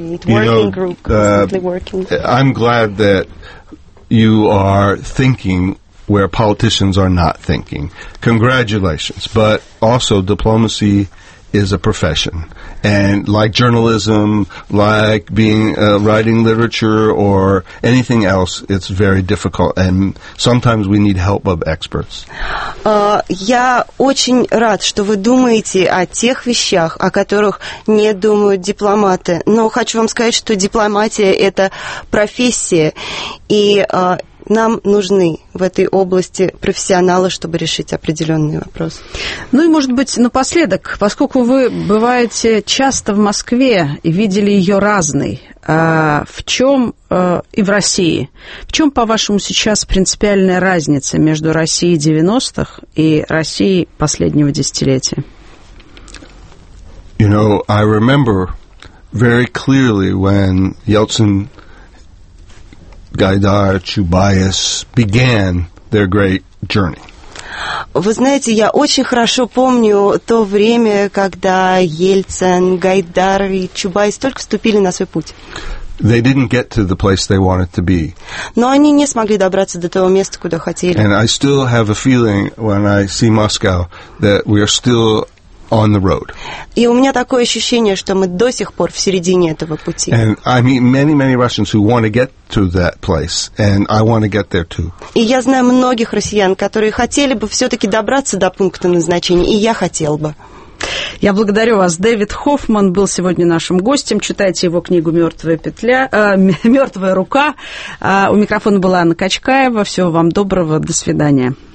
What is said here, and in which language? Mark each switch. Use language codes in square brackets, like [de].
[en] I'm glad that you are thinking where politicians are not thinking. Congratulations. But also, diplomacy is a profession. And like journalism, like being writing literature or anything else, it's very difficult. And sometimes we need help of experts. [ru] Я очень рад, что вы думаете о тех вещах, о которых не думают дипломаты. Но хочу вам сказать, что дипломатия – это профессия. И нам нужны в этой области профессионалы, чтобы решить определенный вопрос. Ну и, может быть, напоследок, поскольку вы бываете часто в Москве и видели ее разной, в чем и в России, в чем, по-вашему, сейчас принципиальная разница между Россией 90-х и Россией последнего десятилетия? [en] You know, I remember very clearly when Yeltsin, Гайдар, Чубайс began their great journey. [ru] Вы знаете, я очень хорошо помню то время, когда Ельцин, Гайдар и Чубайс только вступили на свой путь. [en] They didn't get to the place they wanted to be. [ru] Но они не смогли добраться до того места, куда хотели. [en] And I still have a feeling when I see Moscow that we are still on the road. [ru] И у меня такое ощущение, что мы до сих пор в середине этого пути. [en] And I meet many, many Russians who want to get to that place, and I want to get there too. [ru] И я знаю многих россиян, которые хотели бы все-таки добраться до пункта назначения, и я хотел бы. Я благодарю вас. Дэвид Хоффман был сегодня нашим гостем. Читайте его книгу «Мертвая петля», «Мертвая рука». У микрофона была Анна Качкаева. Всего вам доброго. До свидания.